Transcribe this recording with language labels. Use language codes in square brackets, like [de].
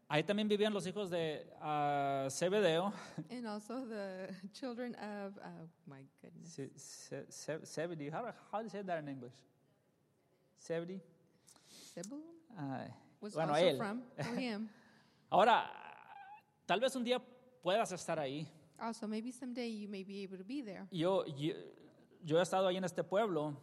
[es] Ahí también vivían los hijos de Zebedeo. [en] And also the children of, my goodness. Zebedee. How do you say that in English? Zebedee? Zebedee? Was also from him. [es] Ahora, tal vez un día puedas estar ahí. [en] Also, maybe someday you may be able to be there. [es] Yo he estado ahí en este pueblo.